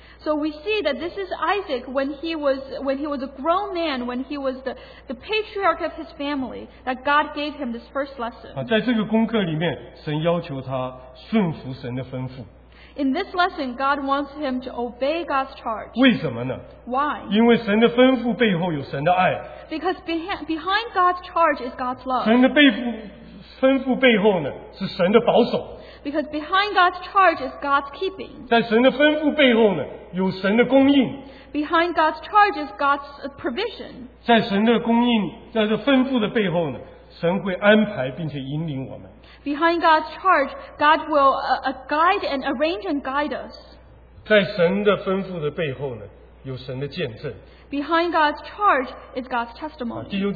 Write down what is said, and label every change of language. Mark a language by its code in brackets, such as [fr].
[en] So we see that this is Isaac when he was a grown man, when he was the patriarch of his family, that God gave him this first lesson. [zh] 在这个功课里面，神要求他顺服神的吩咐。 [en] In this lesson, God wants him to obey God's charge. [zh] 为什么呢? [en] Why? [zh] 因为神的吩咐背后有神的爱。 [en] Because behind God's charge is God's love. [zh] 神的吩咐背后呢，是神的保守。 [en] Because behind God's charge is God's keeping. [zh] 在神的吩咐背后呢，有神的供应。 [en] Behind God's charge is God's provision. [zh] 在神的供应，在这吩咐的背后呢，神会安排并且引领我们。 [en] Behind God's charge, God will guide and arrange and guide us. [zh] 在神的吩咐的背后呢，有神的见证。 [en] Behind God's charge is God's testimony.